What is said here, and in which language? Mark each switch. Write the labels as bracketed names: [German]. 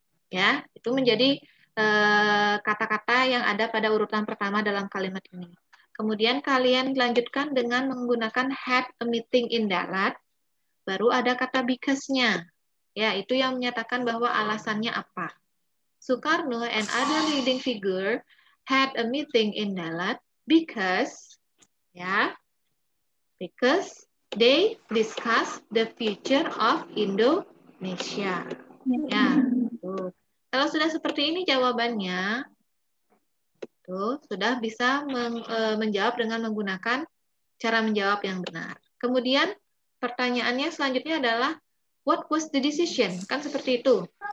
[Indonesian] Ya, itu menjadi kata-kata yang ada pada urutan pertama dalam kalimat ini. Kemudian kalian lanjutkan dengan menggunakan [English] had a meeting in Dalat. [Indonesian] Baru ada kata because-nya. Ya, itu yang menyatakan bahwa alasannya apa. [English] Soekarno and other leading figure had a meeting in Dalat because, [Indonesian] ya, [English] because they discuss the future of Indonesia. [Indonesian] Ya, tuh. Kalau sudah seperti ini jawabannya, tuh, sudah bisa menjawab dengan menggunakan cara menjawab yang benar. Kemudian pertanyaannya selanjutnya adalah, [English] what was the decision? [Indonesian] Kan seperti itu.